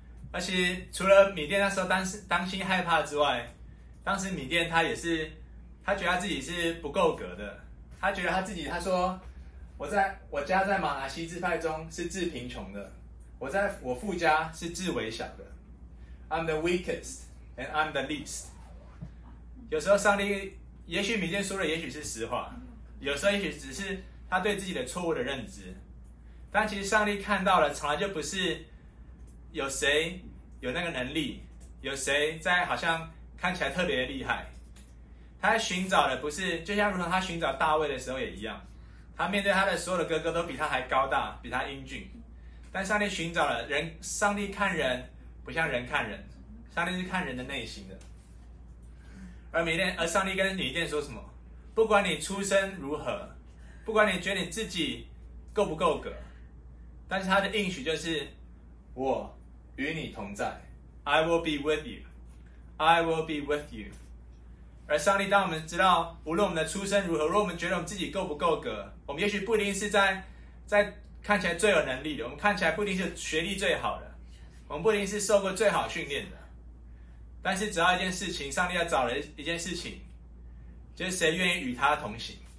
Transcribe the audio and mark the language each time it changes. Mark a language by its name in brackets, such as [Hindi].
[Chinese] 而且除了米甸那时候担心害怕之外，当时米甸他也是，他觉得他自己是不够格的，他觉得他自己，他说我家在马拿西支派中是致贫穷的，我父家是致微小的。 [English] I'm the weakest and I'm the least。 [Chinese] 有时候上帝，也许米甸说的也许是实话，有时候也许只是他对自己的错误的认知，但其实上帝看到了，从来就不是有谁有那个能力，有谁在好像看起来特别的厉害。他寻找的不是，就像如同他寻找大卫的时候也一样，他面对他的所有的哥哥都比他还高大，比他英俊。但上帝寻找了人，上帝看人不像人看人，上帝是看人的内心的。而上帝跟米甸说什么？不管你出身如何，不管你觉得你自己够不够格，但是他的应许就是我与你同在。 [English] I will be with you, I will be with you。 [Chinese] 而上帝当我们知道无论我们的出身如何，如果我们觉得我们自己够不够格，我们也许不一定是在看起来最有能力的，我们看起来不一定是学历最好的，我们不一定是受过最好训练的，但是只要一件事情，上帝要找了一件事情，就是谁愿意与他同行。